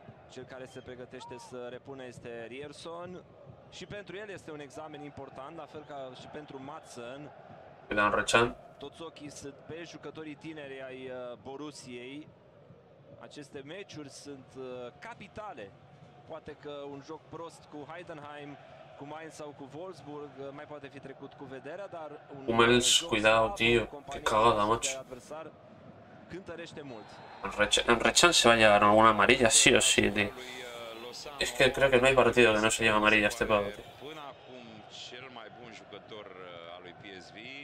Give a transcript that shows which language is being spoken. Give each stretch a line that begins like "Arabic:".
Romanian: Cel care se pregătește să repună este Ryerson. Și pentru el este un examen important, la fel ca și pentru Madsen. Toți ochii sunt pe jucătorii tineri ai Borussiei. Aceste meciuri sunt capitale. Poate că un joc prost cu Heidenheim, cu Mainz sau cu Wolfsburg mai poate fi trecut cu vederea, dar un
Spanish: Hummels, cuidado, tío, qué cagada, macho.
Romanian: Cântărește mult.
Spanish: En Rechan se va a llevar alguna amarilla, sí o sí, tío. Es que creo que no hay partido que no se lleve amarilla este pavo, tío.
Romanian: Până acum cel mai bun jucător al lui PSV.